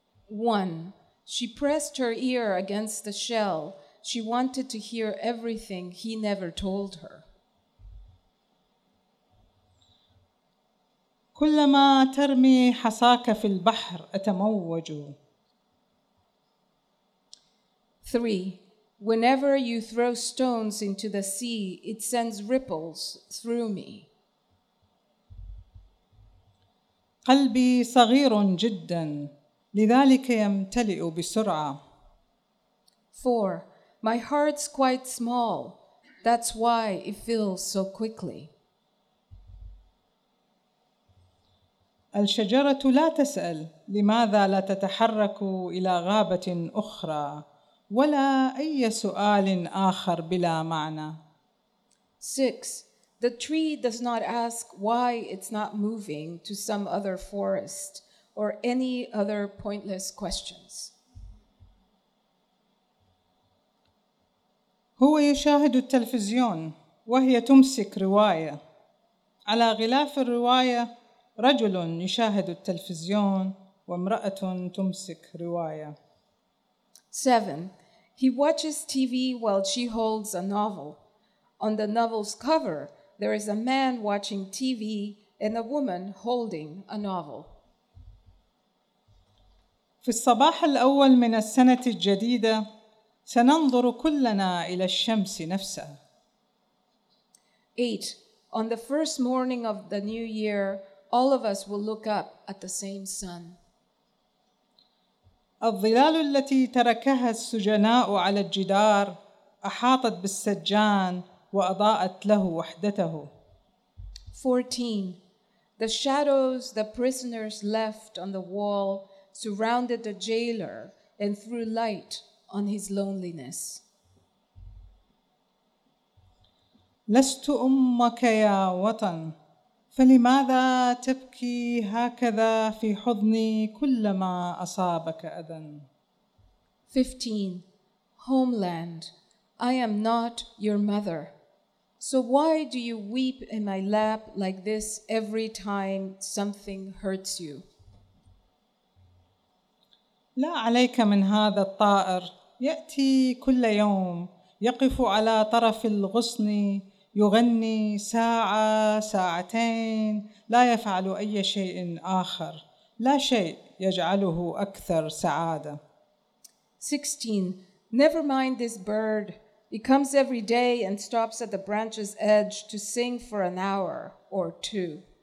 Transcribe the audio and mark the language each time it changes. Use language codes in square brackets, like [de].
[en] 1. She pressed her ear against the shell. She wanted to hear everything he never told her. [ar] كلما ترمي حصاك في البحر أتموج. [en] 3. Whenever you throw stones into the sea, it sends ripples through me. [ar] قلبي صغير جدا لذلك يمتلئ بسرعة. [en] For my heart's quite small, that's why it fills so quickly. [ar] الشجرة لا تسأل لماذا لا تتحرك إلى غابة أخرى ولا أي سؤال آخر بلا معنى. [en] 6. The tree does not ask why it's not moving to some other forest or any other pointless questions. [ar] هو يشاهد التلفزيون وهي تمسك رواية. على غلاف الرواية رجل يشاهد التلفزيون وامرأة تمسك رواية. [en] 7. He watches TV while she holds a novel. On the novel's cover, there is a man watching TV and a woman holding a novel. [ar] في الصباح الأول من السنة الجديدة سننظر كلنا إلى الشمس نفسها. [en] 8. On the first morning of the new year, all of us will look up at the same sun. [ar] الظلال التي تركها السجناء على الجدار أحاطت بالسجان وأضاءت له وحدته. [en] 14. The shadows the prisoners left on the wall surrounded the jailer and threw light on his loneliness. [ar] لست أمك يا وطن فلماذا تبكي هكذا في حضني كلما أصابك أذى. [en] 15. Homeland, I am not your mother. So why do you weep in my lap like this every time something hurts you? [ar] لا عليك من هذا الطائر يأتي كل يوم يقف على طرف الغصن يغني ساعة ساعتين لا يفعل أي شيء آخر لا شيء يجعله أكثر سعادة. [en] 16. Never mind this bird. It comes every day and stops at the branch's edge to sing for an hour or two.